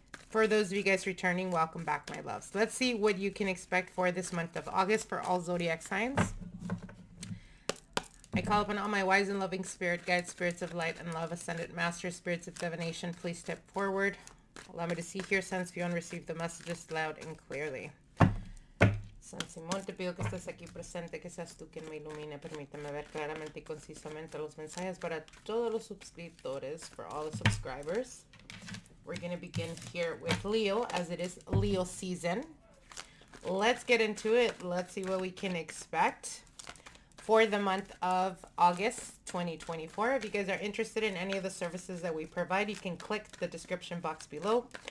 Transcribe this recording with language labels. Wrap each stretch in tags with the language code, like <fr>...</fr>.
<en>For those of you guys returning, welcome back, my loves. Let's see what you can expect for this month of August for all zodiac signs. I call upon all my wise and loving spirit guides, spirits of light and love, ascended masters, spirits of divination, please step forward. Allow me to see, hear, sense, feel, and receive the messages loud and clearly.</en> <es>San Simón, te pido que estés aquí presente, que seas tú quien me ilumine. Permíteme ver claramente y concisamente los mensajes para todos los suscriptores,</es> <en>for all the subscribers. We're going to begin here with Leo, as it is Leo season. Let's get into it. Let's see what we can expect for the month of August 2024. If you guys are interested in any of the services that we provide, you can click the description box below.</en>